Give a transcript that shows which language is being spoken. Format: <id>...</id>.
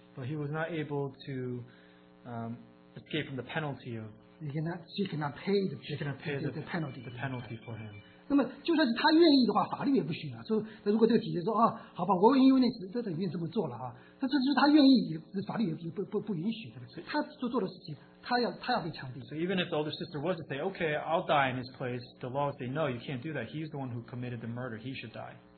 <en>But he was not able to escape from the penalty of. She cannot pay the penalty for him.</en> <zh>那么就算是他愿意的话，法律也不许啊。说如果这个姐姐说啊，好吧，我因为那次在这里面这么做了啊，但是就是他愿意，法律也不允许。他做的事情，他要被枪毙。So</zh> <en>even if the older sister was to say, okay, I'll die in his place, the law would say, no, you can't do that. He's the one who committed the murder. He should die.</en>